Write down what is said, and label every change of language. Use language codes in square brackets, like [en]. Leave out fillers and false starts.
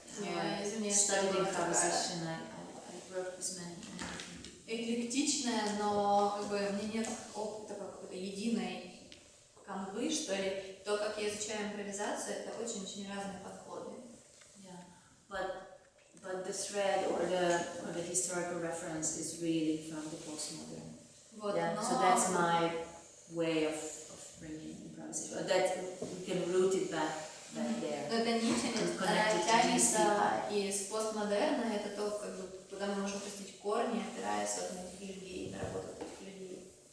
[en] Yeah, studied improvisation. I worked with many. [ru] Эклектичная, но как бы у меня нет опыта какой-то единой канвы, что ли. То, как я изучаю импровизацию, это очень-очень разные подходы. [en] Yeah, but the thread or the historical reference is really from the postmodern. [ru] Вот, [en] yeah, so that's my way of bringing improvisation. That we can root it back. [ru] Но эта нить, она тянется из постмодерна, это то, как бы, куда мы можем пустить корни, опираясь вот на этих людей и на работу этих людей.